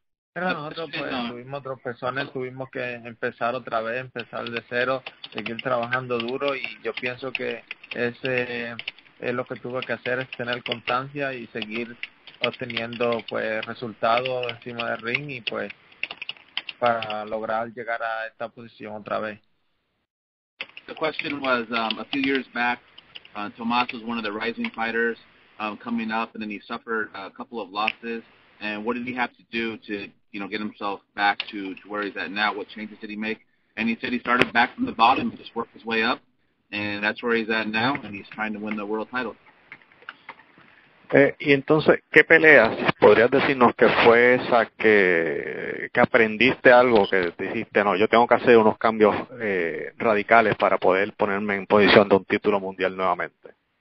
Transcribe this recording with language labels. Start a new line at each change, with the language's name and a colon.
Spanish: Pero nosotros pues, tuvimos tropezones, tuvimos que empezar otra vez, empezar de cero, seguir trabajando duro, y yo pienso que ese es lo que tuve que hacer, es tener constancia y seguir obteniendo pues resultados encima del ring, y pues para lograr llegar a esta posición otra vez.
English: The question was, a few years back, Tomas was one of the rising fighters coming up, and then he suffered a couple of losses. And what did he have to do to, you know, get himself back to where he's at now? What changes did he make? And he said he started back from the bottom and just worked his way up. And that's where he's at now, and he's trying to win the world title.
Spanish: Y entonces, ¿qué peleas? ¿Podrías decirnos que fue esa que aprendiste algo, que dijiste, no, yo tengo que hacer unos cambios radicales para poder ponerme en posición de un título mundial nuevamente?